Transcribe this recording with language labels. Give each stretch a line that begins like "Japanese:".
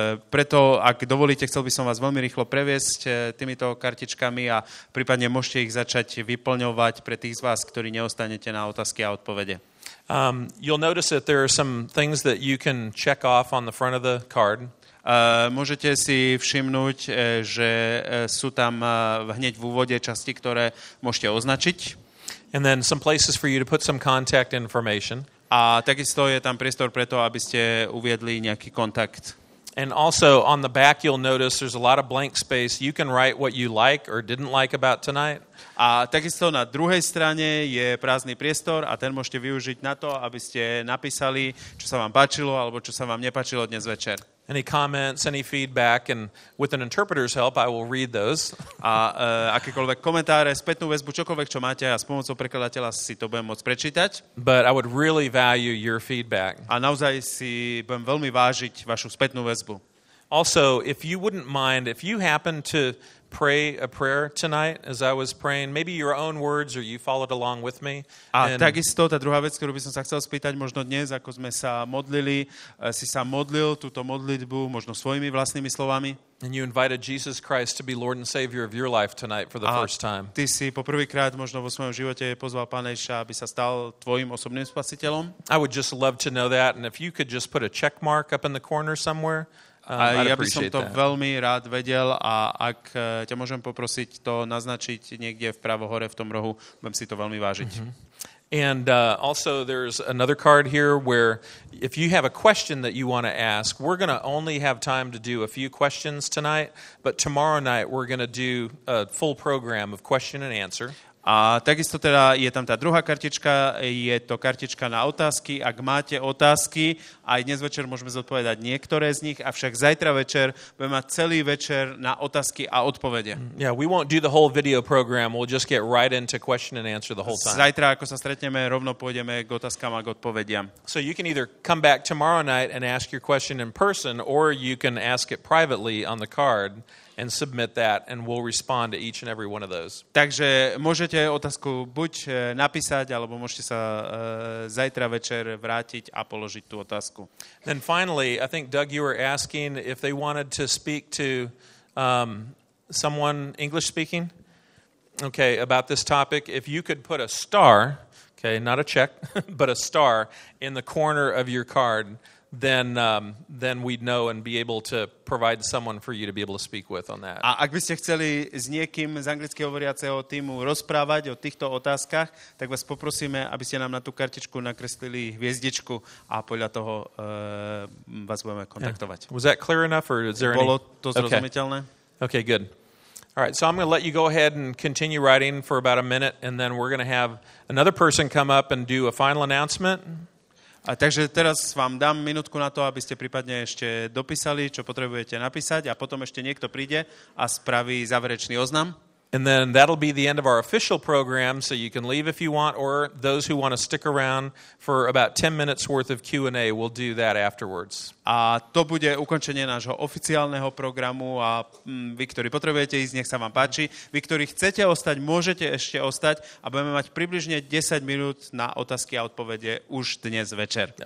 Slovak: Preto, ak dovolíte, chcel by som vás veľmi rýchlo previesť týmito kartičkami a prípadne môžete ich začať vyplňovať pre tých z vás, ktorí neostanete na otázky a odpovede.
English: You'll notice that there are some things that you can check off on the front of the card.
Slovak: Môžete si všimnúť, že sú tam hneď v úvode časti, ktoré môžete označiť.
English: And then some places for you to put some contact information.
Slovak: A takisto je tam priestor pre to, aby ste uviedli nejaký kontakt.
English: And also on the back you'll notice there's a lot of blank space. You can write what you like or didn't like about tonight.
Slovak: A takisto na druhej strane je prázdny priestor a ten môžete využiť na to, aby ste napísali, čo sa vám páčilo alebo čo sa vám nepáčilo dnes večer.
English: Any comments, any feedback, and with an interpreter's help, I will read those.
Slovak: A akékoľvek komentáre, spätnú väzbu, čokoľvek, čo máte, ja s pomocou prekladateľa si to budem môcť prečítať.
English: But I would really value your feedback.
Slovak: A naozaj si budem veľmi vážiť vašu spätnú väzbu.
English: Also, if you wouldn't mind, if you happen to pray a prayer tonight as I was praying, maybe your own words or you followed along with me.
Slovak: A takisto tá druhá vec, ktorú by som sa chcel spýtať, možno dnes, ako sme sa modlili, si sa modlil túto modlitbu možno svojimi vlastnými slovami.
English: And you invited Jesus Christ to be Lord and Savior of your life tonight for the first time.
Slovak: Ty si poprvýkrát možno vo svojom živote pozval Pána Ježiša, aby sa stal tvojim osobným spasiteľom.
English: I would just love to know that, and if you could just put a check mark up in the corner somewhere.
Slovak: A ja by som to veľmi rád vedel a ak ťa môžem poprosiť to naznačiť niekde v pravo hore v tom rohu, budem si to veľmi vážiť.
English: And also there's another card here where if you have a question that you want to ask, we're going to only have time to do a few questions tonight, but tomorrow night we're going to do a full program of question and answer.
Slovak: A takisto teda je tam tá druhá kartička, je to kartička na otázky. Ak máte otázky, aj dnes večer môžeme zodpovedať niektoré z nich, avšak zajtra večer budeme mať celý večer na otázky a odpovede.
English: Yeah, we won't do the whole video program, we'll just get right into question and answer the whole time.
Slovak: Zajtra, ako sa stretneme, rovno pôjdeme k otázkam a k odpovediam.
English: So you can either come back tomorrow night and ask your question in person, or you can ask it privately on the card and submit that, and we'll respond to each and every one of those.
Slovak: Takže môžete otázku buď napísať, alebo môžete sa zajtra večer vrátiť a položiť tú otázku.
English: Then finally, I think, Doug, you were asking if they wanted to speak to someone English-speaking, okay, about this topic. If you could put a star, okay, not a check, but a star in the corner of your card, then we'd know and be able to provide someone for you to be able to speak with on that.
Slovak: A ak by ste chceli s niekým z anglicky hovoriaceho tímu rozprávať o týchto otázkach, tak vás poprosíme, aby ste nám na tú kartičku nakreslili hviezdičku a podľa toho vás budeme kontaktovať.
English: Yeah. Was that clear enough or is there
Slovak: Bolo to zrozumiteľné?
English: Okay, good. All right, so I'm going to let you go ahead and continue writing for about a minute and then we're going to have another person come up and do a final announcement.
Slovak: A takže teraz vám dám minútku na to, aby ste prípadne ešte dopísali, čo potrebujete napísať a potom ešte niekto príde a spraví záverečný oznam.
English: And then that'll be the end of our official program, so you can leave if you want, or those who want to stick around for about 10 minutes worth of Q&A, we'll do that afterwards.
Slovak: A to bude ukončenie nášho oficiálneho programu a vy, ktorí potrebujete ísť, nech sa vám páči. Vy, ktorí chcete ostať, môžete ešte ostať a budeme mať približne 10 minút na otázky a odpovede už dnes večer.